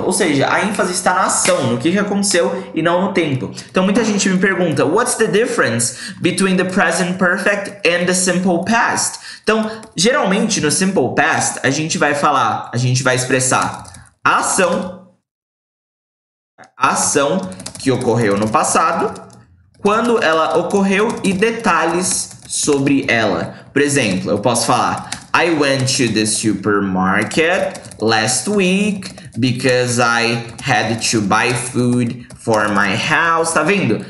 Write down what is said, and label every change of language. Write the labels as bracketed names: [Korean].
[Portuguese] Ou seja, a ênfase está na ação, no que aconteceu e não no tempo. Então, muita gente me pergunta, [English] what's the difference between the present perfect and the simple past? [Portuguese] Então, geralmente, no simple past, a gente vai falar, a gente vai expressar a ação que ocorreu no passado, quando ela ocorreu e detalhes sobre ela. Por exemplo, eu posso falar, [English] I went to the supermarket last week because I had to buy food for my house, [Portuguese] tá vendo?